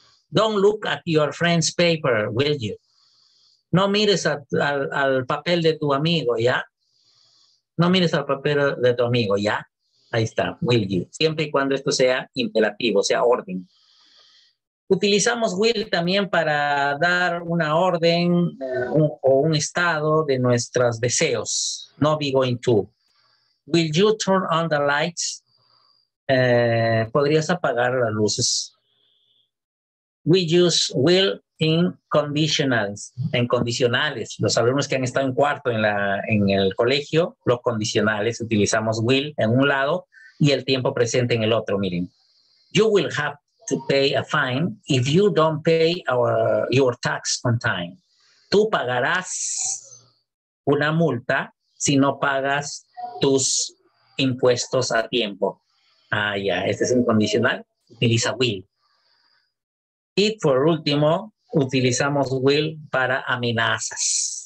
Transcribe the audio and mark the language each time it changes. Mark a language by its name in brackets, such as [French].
[English] Don't look at your friend's paper, will you? [Spanish] No mires al papel de tu amigo, ¿ya? No mires al papel de tu amigo, ¿ya? Ahí está, will you. Siempre y cuando esto sea imperativo, sea orden. Utilizamos will también para dar una orden o un estado de nuestros deseos. [English] No be going to. Will you turn on the lights? [Spanish] ¿Podrías apagar las luces? [English] We use will in conditionals. [Spanish] En condicionales. Los alumnos que han estado en cuarto en el colegio, los condicionales, utilizamos will en un lado y el tiempo presente en el otro. Miren. [English] You will have to pay a fine if you don't pay your tax on time. [Spanish] Tú pagarás una multa si no pagas tus impuestos a tiempo. Ah, ya, este es un condicional. Utiliza will. Y por último, utilizamos will para amenazas.